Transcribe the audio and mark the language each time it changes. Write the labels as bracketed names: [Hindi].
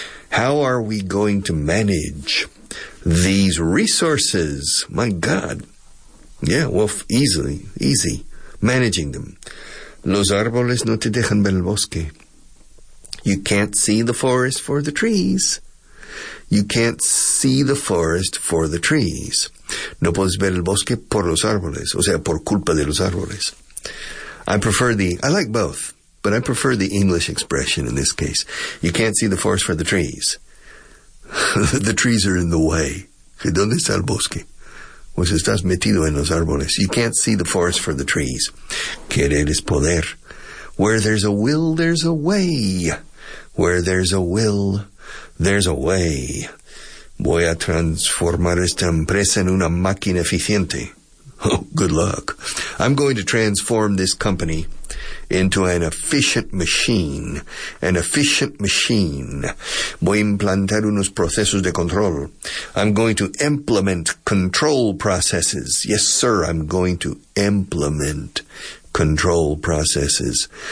[English] How are we going to manage these resources? My God. Yeah, well, easily, easy. Managing them. [Spanish] Los árboles no te dejan ver el bosque. [English] You can't see the forest for the trees. You can't see the forest for the trees. [Spanish] No puedes ver el bosque por los árboles, o sea, por culpa de los árboles. [English] I like both, but I prefer the English expression in this case. You can't see the forest for the trees. The trees are in the way. [Spanish] ¿Dónde está el bosque? Pues estás metido en los árboles. [English] You can't see the forest for the trees. [Spanish] Querer es poder. [English] Where there's a will, there's a way. Where there's a will, there's a way. [Spanish] Voy a transformar esta empresa en una máquina eficiente. [English] Oh, good luck. I'm going to transform this company into an efficient machine. An efficient machine. [Spanish] Voy a implantar unos procesos de control. [English] I'm going to implement control processes. Yes, sir, I'm going to implement control processes.